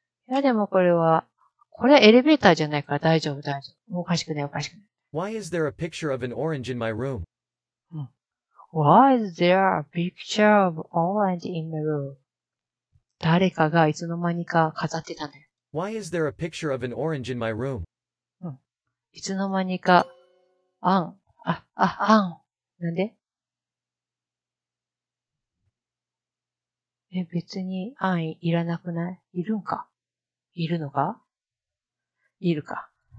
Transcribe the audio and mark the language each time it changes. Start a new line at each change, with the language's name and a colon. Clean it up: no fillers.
Japanese: いやでもこれはエレベーターじゃないから大丈夫。おかしくない。
English: Why is there a picture of an orange in my room? Why is there a picture of orange in my room?
Japanese: 誰かがいつの間にか飾ってたね。
English: Why is there a picture of an orange in my room?
Japanese: いつの間にか、あん。なんで？別にあんいらなくない？いるんか？いるのか？いるか？